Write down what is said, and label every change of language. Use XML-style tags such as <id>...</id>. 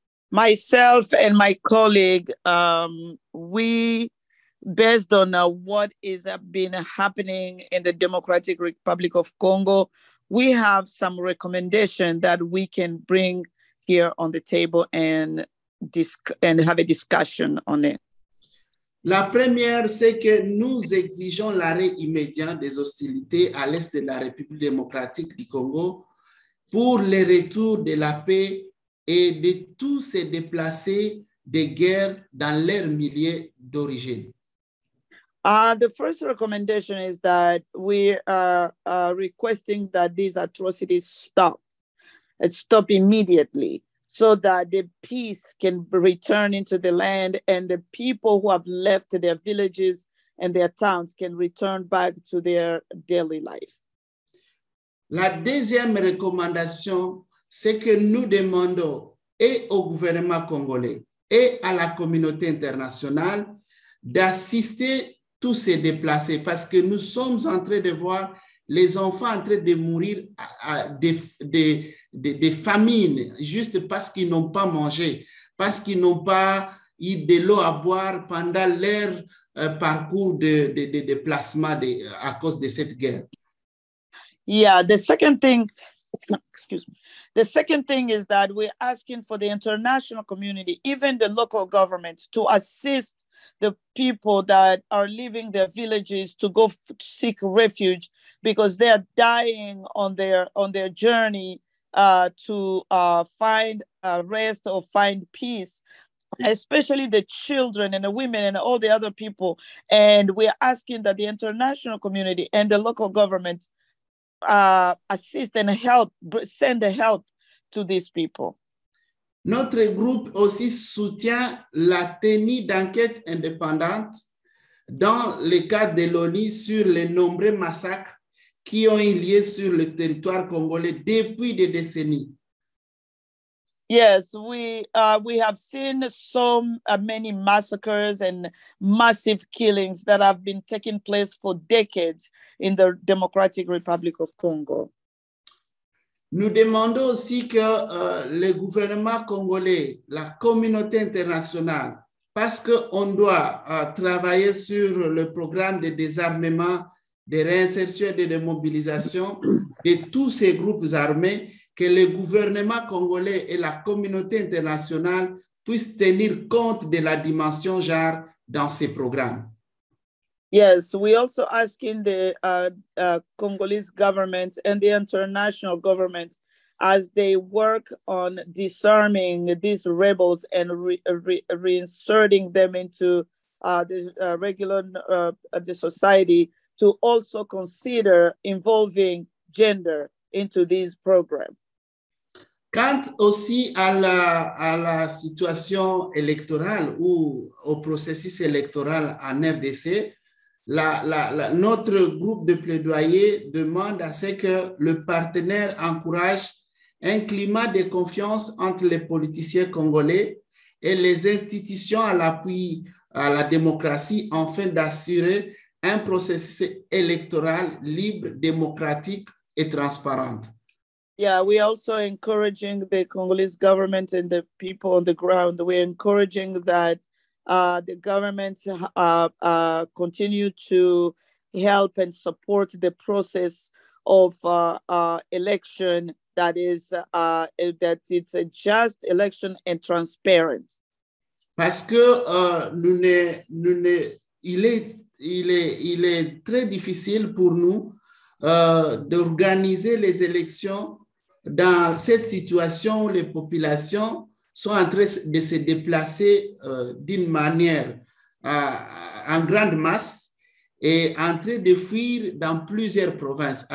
<en>Myself and my colleague, we, based on what is been happening in the Democratic Republic of Congo, we have some recommendation that we can bring here on the table and have a discussion on it.</en> <fr>La première, c'est que nous exigeons l'arrêt immédiat des hostilités à l'est de la République démocratique du Congo pour le retour de la paix et de tous ces déplacés de guerre dans leur milieu d'origine.</fr> <en>The first recommendation is that we are requesting that these atrocities stop and stop immediately, so that the peace can return into the land and the people who have left their villages and their towns can return back to their daily life.</en> <fr>La deuxième recommandation, c'est que nous demandons et au gouvernement congolais et à la communauté internationale d'assister tous ces déplacés parce que nous sommes en train de voir les enfants en train de mourir de famines juste parce qu'ils n'ont pas mangé, parce qu'ils n'ont pas eu de l'eau à boire pendant leur parcours de déplacement à cause de cette guerre.</fr> <en>Yeah, the second thing is that we're asking for the international community, even the local government, to assist the people that are leaving their villages to go seek refuge because they are dying on their journey find rest or find peace, especially the children and the women and all the other people. And we're asking that the international community and the local government assist and help, send the help to these people.</en> <fr>Notre groupe aussi soutient la tenue d'enquête indépendante dans le cadre de l'ONU sur les nombreux massacres qui ont eu lieu sur le territoire congolais depuis des décennies.</fr> <en>Yes, we have seen so many massacres and massive killings that have been taking place for decades in the Democratic Republic of Congo.</en> <fr>Nous demandons aussi que le gouvernement congolais, la communauté internationale, parce qu'on doit travailler sur le programme de désarmement, de réinsertion et de démobilisation de tous ces groupes armés, que le gouvernement congolais et la communauté internationale puissent tenir compte de la dimension genre dans ces programmes.</fr> <en>Yes, we also asking the Congolese government and the international government as they work on disarming these rebels and reinserting them into the society to also consider involving gender into this program.</en> <fr>Quant aussi à la situation électorale ou au processus électoral en RDC, notre groupe de plaidoyer demande à ce que le partenaire encourage un climat de confiance entre les politiciens congolais et les institutions à l'appui à la démocratie afin d'assurer un processus électoral libre, démocratique et transparent.</fr> <en>Yeah, we also encouraging the Congolese government and the people on the ground. We're encouraging that the government continue to help and support the process of election that is that it's a just election and transparent.</en> <fr>Parce que il est très difficile pour nous d'organiser les élections dans cette situation où les populations sont en train de se déplacer d'une manière en grande masse et en train de fuir dans plusieurs provinces.</fr>